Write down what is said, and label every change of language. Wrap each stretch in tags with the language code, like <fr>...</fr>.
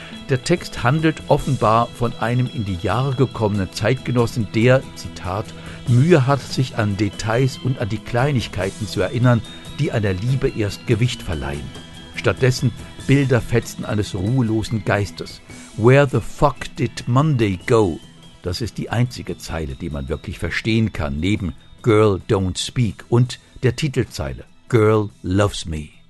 <de>Der Text handelt offenbar von einem in die Jahre gekommenen Zeitgenossen, der, Zitat, Mühe hat, sich an Details und an die Kleinigkeiten zu erinnern, die einer Liebe erst Gewicht verleihen. Stattdessen Bilderfetzen eines ruhelosen Geistes.</de> <en>Where the fuck did Monday go?</en> <de>Das ist die einzige Zeile, die man wirklich verstehen kann, neben Girl Don't Speak und der Titelzeile Girl Loves Me.</de>